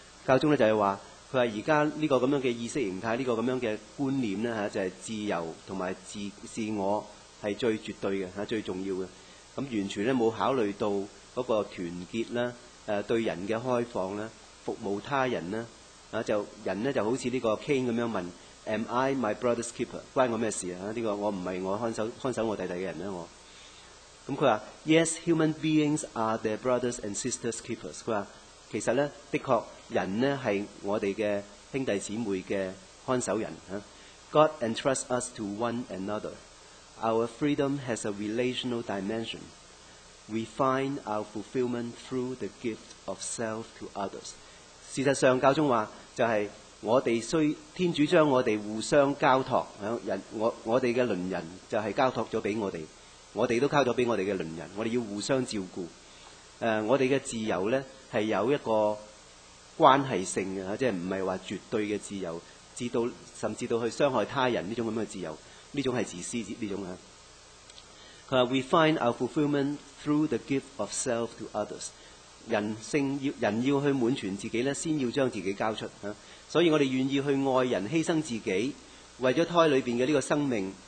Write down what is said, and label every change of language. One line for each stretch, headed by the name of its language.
Cantonese: 教宗咧就係話，佢話而家呢個咁樣嘅意識形態，呢、這個咁樣嘅觀念咧嚇，就係、是、自由同埋自我係最絕對嘅嚇，最重要嘅，咁完全咧冇考慮到。嗰、那個團結啦，對人嘅開放啦，服務他人啦，就人咧就好似呢個 Cain 咁樣問 ：
English: Am I my brother's keeper？
Cantonese: 關我咩事啊？呢、這個我唔係我看守我弟弟嘅人啦。我咁佢話 ：
English: Yes, human beings are their brothers and sisters keepers。
Cantonese: 佢話其實咧，的確人咧係我哋嘅兄弟姊妹嘅看守人。
English: God entrusts us to one another. Our freedom has a relational dimension. We find our fulfillment through the gift of self to others。
Cantonese: 事實上，教宗話就係、是、我哋需天主將我哋互相交託，人我哋嘅鄰人就係交託咗俾我哋，我哋都交咗俾我哋嘅鄰人，我哋要互相照顧。我哋嘅自由咧係有一個關係性嘅，即係唔係話絕對嘅自由，甚至到去傷害他人呢種咁嘅自由，呢種係自私呢種啊。
English: We find our fulfillment through the gift of self to others.
Cantonese: 人要去滿全自己咧，先要將自己交出。所以我哋願意去愛人，犧牲自己，為咗胎裏邊嘅呢個生命，